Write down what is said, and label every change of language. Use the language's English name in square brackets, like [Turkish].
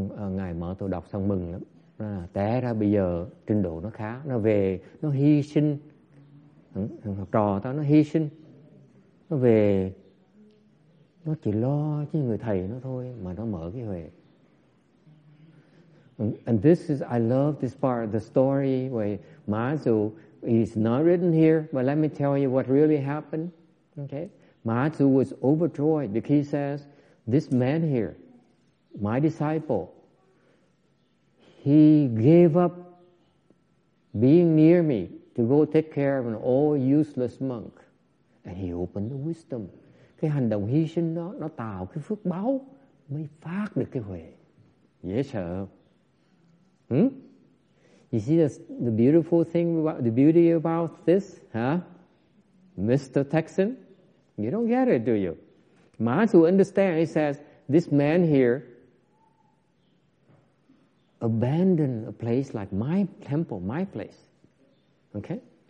[Vietnamese] Ngài Mã Tổ đọc xong mừng lắm. Té ra bây giờ trình độ nó khá, nó về, nó hy sinh. Học trò tao nó hy sinh. Nó về, nó chỉ lo cho người thầy nó thôi, mà nó mở cái huệ. [English] And this is, I love this part of the story where Mã Tổ is not written here, but let me tell you what really happened. Okay? Mã Tổ was overjoyed because he says, this man here, my disciple, he gave up being near me to go take care of an old useless monk. And he opened the wisdom. [Vietnamese] Cái hành động hy sinh đó, nó tạo cái phước báo mới phát được cái huệ. Dễ sợ. [English] You see the beautiful thing about, the beauty about this, huh? Mr. Texan? You don't get it, do you? Mã Tổ understand, he says, this man here abandon a place like my temple, my place. Okay?